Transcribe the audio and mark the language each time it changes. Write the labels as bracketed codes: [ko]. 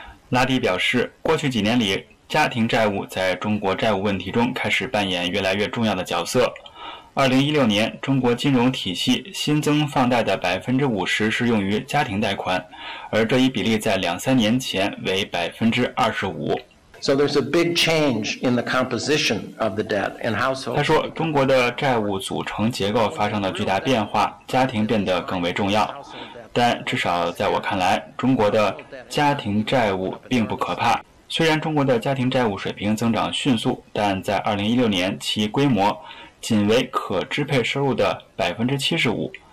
[zh] 拉迪表示，过去几年里，家庭债务在中国债务问题中开始扮演越来越重要的角色。 2016年，中国金融体系新增放贷的50%是用于家庭贷款，而这一比例在两三年前为25%。 [en] So there's a big change in the composition of the debt and household. [zh] 他说，中国的债务组成结构发生了巨大变化，家庭变得更为重要。但至少在我看来，中国的家庭债务并不可怕。虽然中国的家庭债务水平增长迅速，但在2016年其规模仅为可支配收入的75%。